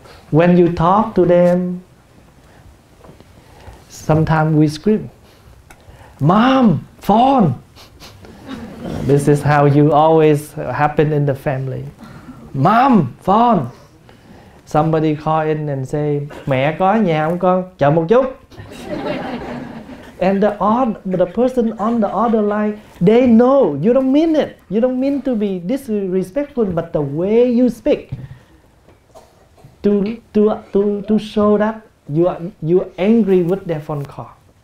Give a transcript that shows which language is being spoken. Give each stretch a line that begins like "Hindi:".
English: When you talk to them, sometimes we scream, Mom, phone! This is how you always happen in the family. Mom, phone! Somebody call in and say,
Vietnamese: Mẹ có nhà không con? Chờ một chút!
English: And the person on the other line, they know you don't mean it. You don't mean to be disrespectful, but the way you speak to show that you are angry with their phone call.